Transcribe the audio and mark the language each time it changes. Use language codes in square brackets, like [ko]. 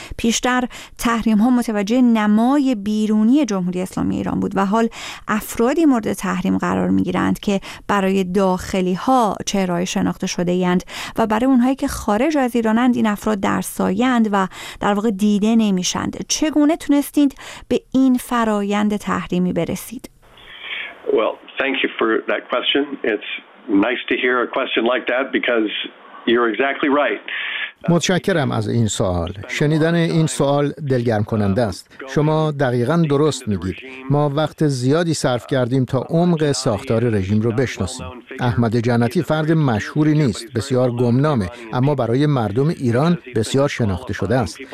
[fa] پیشتر تحریم ها متوجه نمای بیرونی جمهوری اسلامی ایران بود و حال افرادی مورد تحریم قرار میگیرند که برای داخلی ها چهره شناخته شده اند و برای اونهایی که خارج از ایرانند این افراد در سایه اند و در واقع دیده نمیشند. چگونه تونستید به این فرآیند تحریمی برسید؟ [en] Well, thank you for that question. It's nice to hear a question like that because you're exactly right. [fa] متشکرم از این سوال. شنیدن این سوال دلگرم کننده است. شما دقیقاً درست میگید. ما وقت زیادی صرف کردیم تا عمق ساختار رژیم رو بشناسیم. احمد جنتی فرد مشهوری نیست، بسیار گمنامه، اما برای مردم ایران بسیار شناخته شده است.